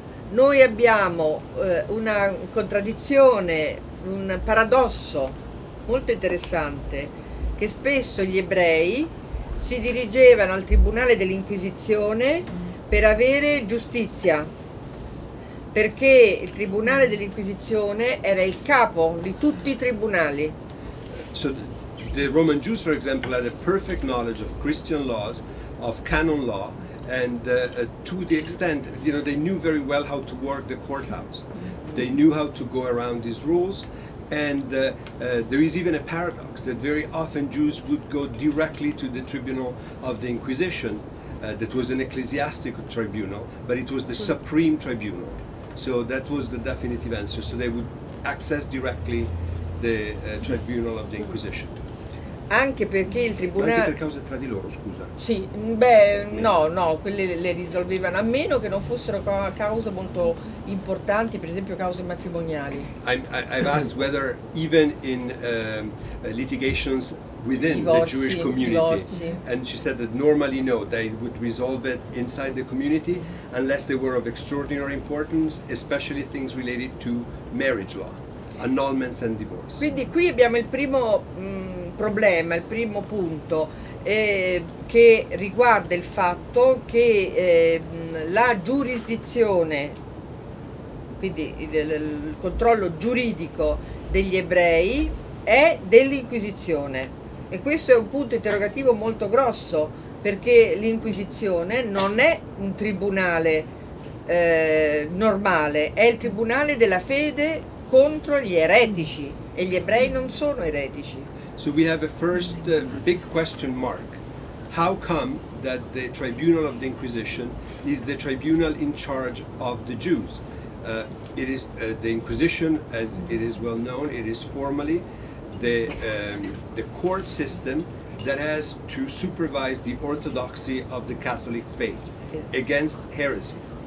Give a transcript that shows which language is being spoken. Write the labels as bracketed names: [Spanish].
[Italian] Noi abbiamo una contraddizione, un paradosso molto interessante, che spesso gli ebrei si dirigevano al tribunale dell'Inquisizione per avere giustizia, perché il tribunale dell'Inquisizione era il capo di tutti i tribunali. [English] So the Roman Jews, for example, had a perfect knowledge of Christian laws, of canon law, and to the extent, you know, they knew very well how to work the courthouse. They knew how to go around these rules, and there is even a paradox that very often Jews would go directly to the tribunal of the Inquisition, that was an ecclesiastic tribunal, but it was the supreme tribunal. So that was the definitive answer. So they would access directly the tribunal of the Inquisition. [Italian] Anche perché il tribunale. Anche per cause tra di loro, scusa. Sì, beh, no, quelle le risolvevano, a meno che non fossero cause molto importanti, per esempio cause matrimoniali. [English] I've asked whether even in litigations within [Italian] divorzi, [English] the Jewish community, and she said that normally no, they would resolve it inside the community unless they were of extraordinary importance, especially things related to marriage law, annulments and divorce. [Italian] Quindi qui abbiamo il primo problema, il primo punto che riguarda il fatto che la giurisdizione, quindi il controllo giuridico degli ebrei è dell'Inquisizione, e questo è un punto interrogativo molto grosso, perché l'Inquisizione non è un tribunale normale, è il tribunale della fede contro gli eretici, e gli ebrei non sono eretici. [English] So we have a first big question mark. How come that the tribunal of the Inquisition is the tribunal in charge of the Jews? It is the Inquisition, as it is well known, it is formally the court system that has to supervise the orthodoxy of the Catholic faith against heresy.